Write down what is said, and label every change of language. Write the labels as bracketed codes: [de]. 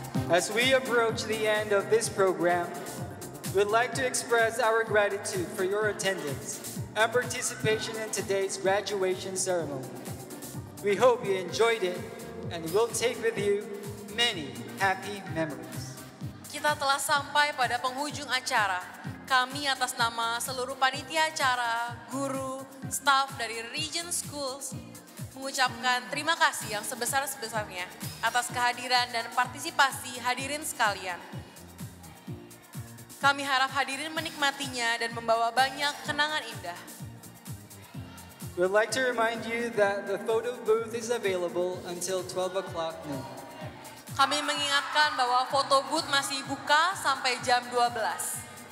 [en] As we approach the end of this program, we'd like to express our gratitude for your attendance and participation in today's graduation ceremony. We hope you enjoyed it and will take with you many happy memories. [id] Kita telah sampai pada penghujung acara. Kami atas nama seluruh panitia acara, guru, staff dari Regent Schools, mengucapkan terima kasih yang sebesar-besarnya atas kehadiran dan partisipasi hadirin sekalian. Kami harap hadirin menikmatinya dan membawa banyak kenangan indah. [en] We'd like to remind you that the photo booth is available until 12 o'clock noon. [id] Kami mengingatkan bahwa photo booth masih buka sampai jam 12.